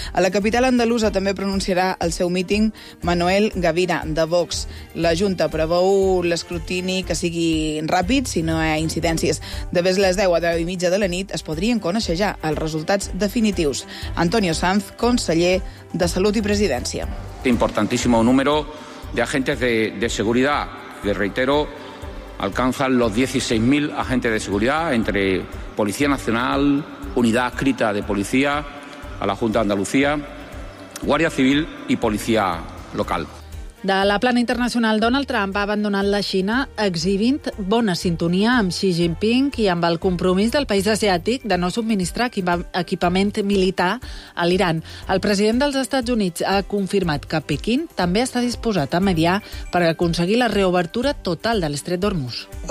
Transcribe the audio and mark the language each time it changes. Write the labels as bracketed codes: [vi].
[ca] A la capital andalusa també pronunciarà el seu míting Manuel Gavira, de Vox. La Junta preveu l'escrutini que sigui ràpid, si no hi ha incidències. De vés les 10 a 10 i mitja de la nit es podrien conèixer ja els resultats definitius. Antonio Sanz, conseller de Salut i Presidència. [es] Importantísimo número de agentes de seguridad, que reitero, alcanzan los 16.000 agentes de seguridad entre Policía Nacional, Unidad Adscrita de Policía a la Junta de Andalucía, Guardia Civil y Policía Local. [ca] De la plana internacional, Donald Trump ha abandonat la Xina exhibint bona sintonia amb Xi Jinping i amb el compromís del país asiàtic de no subministrar equipament militar a l'Iran. El president dels Estats Units ha confirmat que Pequín també està disposat a mediar per aconseguir la reobertura total de l'estret d'Hormuz.